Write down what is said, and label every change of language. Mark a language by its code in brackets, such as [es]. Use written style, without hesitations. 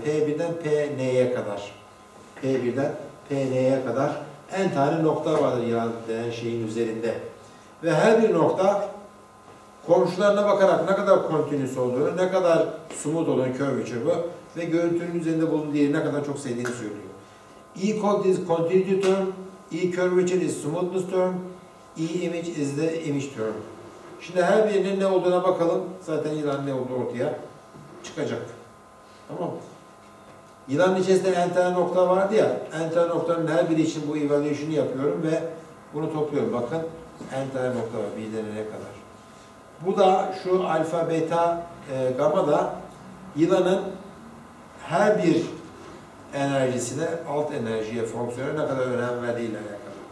[tr] P1'den PN'ye kadar. P1'den PN'ye kadar en tane nokta vardır yılan denen şeyin üzerinde. Ve her bir nokta komşularına bakarak ne kadar continuous olduğunu, ne kadar smooth olduğunu, kör bir çubuğu ve görüntünün üzerinde bulunduğu yeri ne kadar çok sevdiğini söylüyor. [en] E code is continuity term, E curvature is smoothness term, E image is the image term. [tr] Şimdi her birinin ne olduğuna bakalım. Zaten yılan ne olduğu ortaya çıkacak. Tamam mı? Yılanın içerisinde en tane nokta vardı ya, en tane noktanın her biri için bu evaluation'ı yapıyorum ve bunu topluyorum. Bakın en tane nokta var, bir denene kadar. Bu da şu alfa, beta, gamma da yılanın her bir enerjisine, alt enerjiye, fonksiyona ne kadar önem verdiğiyle alakalı.